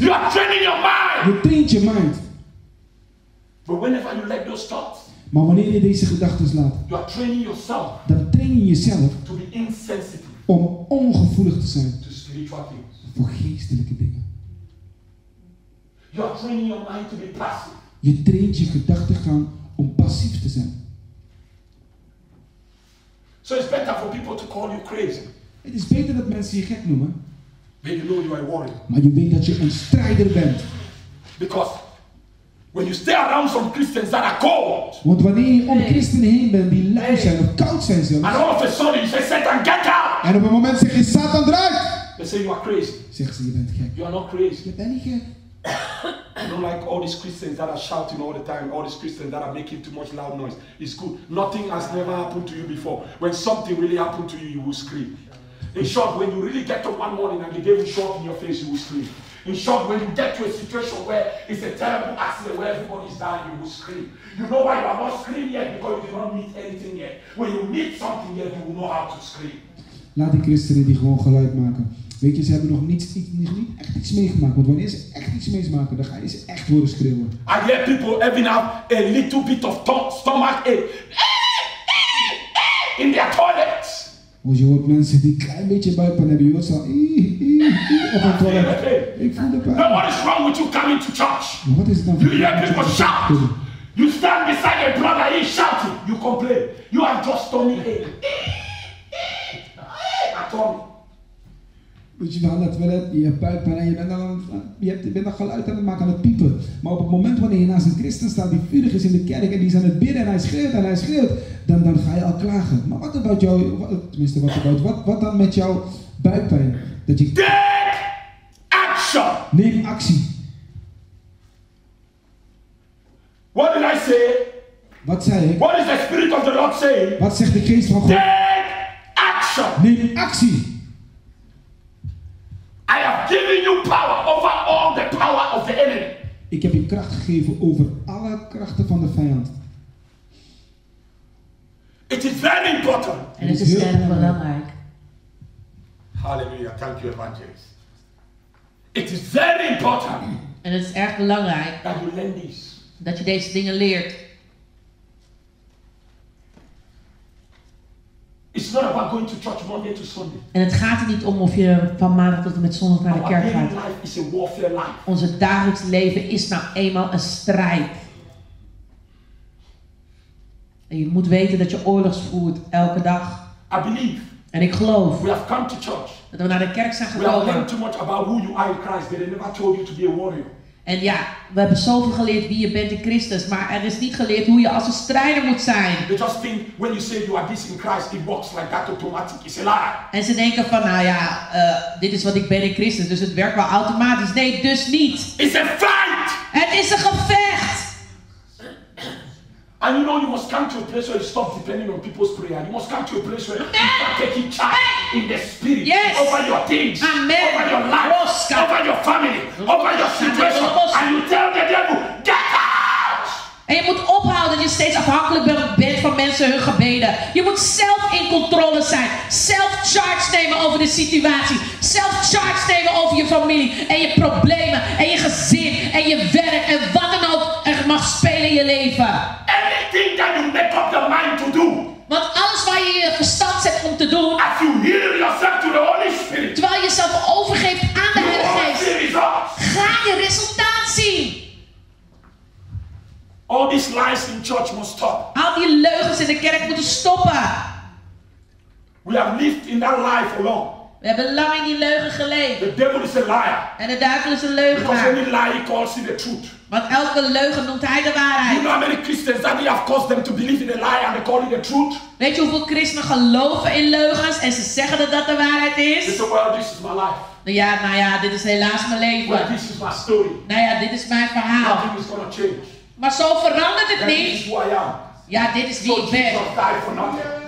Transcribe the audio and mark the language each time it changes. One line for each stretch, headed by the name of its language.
English: You are training your mind.
Dutch: Je traint je mind.
English: But whenever you let those thoughts,
Dutch: maar wanneer je deze gedachten laat,
English: you are training yourself,
Dutch: dan train je jezelf
English: to be insensitive,
Dutch: om ongevoelig te zijn
English: to spiritual things,
Dutch: voor geestelijke dingen.
English: You are training your mind to be passive.
Dutch: Je traint je gedachtegang om passief te zijn.
English: So it's better for people to call you crazy.
Dutch: Het is beter dat mensen je gek noemen.
English: When you know you are worried.
Dutch: Maar je weet dat je een strijder bent.
English: Because when you stay around some Christians that are cold.
Dutch: Want wanneer je om christenen heen bent die lui zijn of koud zijn zelfs.
English: And all of a sudden you say Satan get out.
Dutch: En op een moment zeg je Satan eruit.
English: They say you are crazy.
Dutch: Zeggen ze je bent gek.
English: You are not crazy.
Dutch: Je bent niet gek.
English: I don't like all these Christians that are shouting all the time, all these Christians that are making too much loud noise. It's good. Nothing has never happened to you before. When something really happened to you, you will scream. In short, when you really get up one morning and the devil show up in your face, you will scream. In short, when you get to a situation where it's a terrible accident where everybody is dying, you will scream. You know why you are not screaming yet? Because you did not meet anything yet. When you meet something yet, you will know how to scream.
Dutch: Laat die christenen die gewoon geluid maken. Weet je, ze hebben nog niet echt iets meegemaakt. Want wanneer ze echt iets meegemaakt, dan ga je ze echt horen schreeuwen.
English: I hear people having a little bit of stomach ache in their toilets.
Dutch: Want je hoort mensen die een klein beetje buikpijn hebben. Je hoort ze al op een toilet. Ik voel de pijn.
English: Now what is wrong with you coming to church?
Dutch: Maar wat is het dan voor
English: you? You hear people shout. You stand beside a brother, he's shouting. You complain. You are just stomach ache.
Dutch: Dus je bent aan het toilet, je hebt buikpijn en je bent dan geluid aan het maken, aan het piepen. Maar op het moment wanneer je naast een christen staat die vurig is in de kerk en die is aan het bidden en hij schreeuwt, dan ga je al klagen. Maar wat about jou, wat dan met jouw buikpijn? Dat je...
English: Take action!
Dutch: Neem actie.
English: What did I say?
Dutch: Wat zei ik?
English: What is the spirit of the Lord saying?
Dutch: Wat zegt de geest van God?
English: Take action!
Dutch: Neem actie!
English: I have given you power over all the power of the enemy.
Dutch: Ik heb je kracht gegeven over alle krachten van de vijand.
English: It is very important.
Dutch: En het is heel belangrijk.
English: Hallelujah, thank you, evangelist. It is very important.
Dutch: En het is erg belangrijk.
English: That you learn this.
Dutch: Dat je deze dingen leert.
English: It's not about going to church Monday to Sunday.
Dutch: En het gaat er niet om of je van maandag tot en met zondag naar de kerk gaat.
English: Our daily life is a warfare life.
Dutch: Onze dagelijks leven is nou eenmaal een strijd. En je moet weten dat je oorlogs voert elke dag.
English: I believe.
Dutch: En ik geloof.
English: We have come to church.
Dutch: Dat we naar de kerk zijn gekomen.
English: We have learned too much about who you are in Christ. They never told you to be a warrior.
Dutch: En ja, we hebben zoveel geleerd wie je bent in Christus, maar er is niet geleerd hoe je als een strijder moet zijn.
English: They just think when you say you are this in Christ, it works like that automatic. It's a lie.
Dutch: En ze denken van, nou ja, dit is wat ik ben in Christus, dus het werkt wel automatisch. Nee, dus niet. It's a fight. Het is een gevecht.
English: And you know you must come to a place where you stop depending on people's prayer. You must come to a place where you start taking charge in the spirit over your things, over your life, over your family, over your situation. And you tell the devil, get out!
Dutch: En je moet ophouden dat je steeds afhankelijk bent van mensen hun gebeden. Je moet zelf in controle zijn. Zelf charge nemen over de situatie. Zelf charge nemen over je familie en je problemen en je gezin en je werk en wat dan ook er mag spelen in je leven.
English: Everything that you make up your mind to do.
Dutch: Want alles waar je je verstand zet om te doen.
English: As you yield yourself to the Holy Spirit.
Dutch: Terwijl je jezelf overgeeft aan de Heilige Geest. Ga je resultaat zien.
English: All these lies in church must stop.
Dutch: Al die leugens in de kerk moeten stoppen.
English: We have lived in that life alone.
Dutch: We hebben lang in die leugen geleefd.
English: The devil is a liar.
Dutch: En de duivel is een leugenaar.
English: Because any lie he calls in the truth.
Dutch: Want elke leugen noemt hij de waarheid.
English: You know how many Christians that we have caused them to believe in a lie and they call it the truth?
Dutch: Weet je hoeveel christenen geloven in leugens en ze zeggen dat dat de waarheid is?
English: They say, well, this is my life.
Dutch: Ja, nou ja, dit is helaas mijn leven.
English: Well, this is my story.
Dutch: Nou ja, dit is mijn verhaal.
English: Nothing is gonna change.
Dutch: Maar zo verandert het
English: and
Dutch: niet.
English: This is who I am.
Dutch: Ja, dit is wie
English: so
Dutch: ik ben.